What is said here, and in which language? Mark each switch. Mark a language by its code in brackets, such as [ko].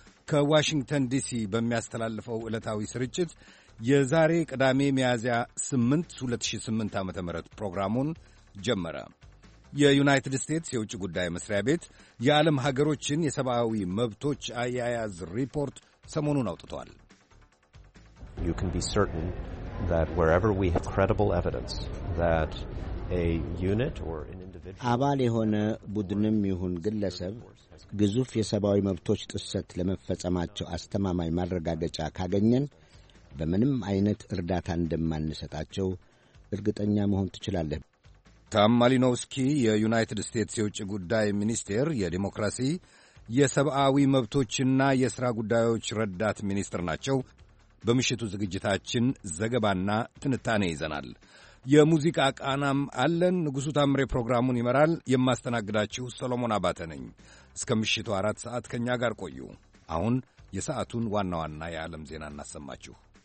[am] ከዋሽንግተን ዲሲ በሚያስተላልፈው ዕለታዊ ስርጭት የዛሬ ቅዳሜ ሚያዝያ 8 2008 ዓ.ም ፕሮግራሙን ጀመረ። የዩናይትድ ስቴትስ የውጭ ጉዳይ መስሪያ ቤት የዓለም ሀገሮችን የሰብአዊ መብቶች አያያዝ ሪፖርት ሰሞኑን አውጥቷል። [en] You can be certain that wherever we have credible evidence that a unit or an individual [am] አባል የሆነ ቡድንም ይሁን ግለሰብ ግዙፍ የሰብአዊ መብቶች ጥሰት ለመፈጸማቸው አስተማማኝ ማረጋገጫ ካገኘን በምንም አይነት እርዳታ እንደማንሰጣቸው እርግጠኛ መሆን ትችላለህ። ታም ማሊኖስኪ የዩናይትድ ስቴትስ የውጭ ጉዳይ ሚኒስቴር የዲሞክራሲ የሰብአዊ መብቶችና የሥራ ጉዳዮች ረዳት ሚኒስትር ናቸው። በምሽቱ ዝግጅታችን ዘገባና ትንታኔ ይዘናል። የሙዚቃ ቃናም አለን። ንጉሡ ታምሬ ፕሮግራሙን ይመራል። የማስተናግዳችሁ ሰሎሞን አባተ ነኝ። እስከ ምሽቱ አራት ሰዓት ከእኛ ጋር ቆዩ። አሁን የሰዓቱን ዋና ዋና የዓለም ዜና እናሰማችሁ።